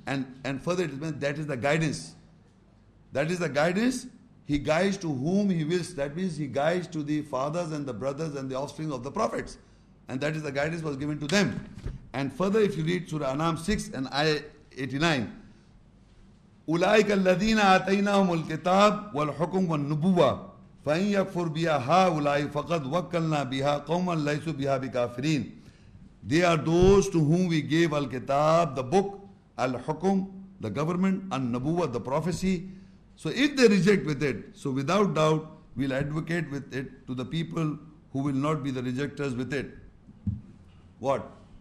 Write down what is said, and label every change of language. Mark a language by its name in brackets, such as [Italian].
[English] And further it is mentioned, that is the guidance. That is the guidance. He guides to whom He wills. That means He guides to the fathers and the brothers and the offspring of the prophets. And that is the guidance was given to them. And further if you read Surah An'am 6 and Ayah 89. [Arabic] أولئك الذين آتيناهم الكتاب والحكم والنبوة فإن يكفر بها هؤلاء فقد وكلنا بها قوما ليسوا بها بكافرين. [English] They are those to whom we gave al-kitab, the book, al-hukum, the government, al-nabuwa, the prophecy. So if they reject with it, so without doubt, we'll advocate with it to the people who will not be the rejectors with it. What?